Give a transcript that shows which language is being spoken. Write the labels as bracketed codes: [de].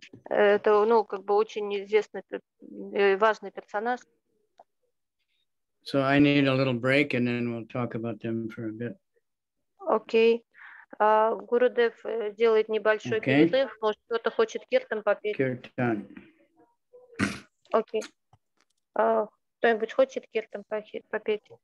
[ru] Это, ну, как бы очень известный, важный персонаж. [en] So I need a little break and then we'll talk about them for a bit. Okay. [ru] Гурудев делает небольшой перерыв, может кто-то хочет киртан попить. Киртан. Окей. Кто-нибудь хочет киртан попить?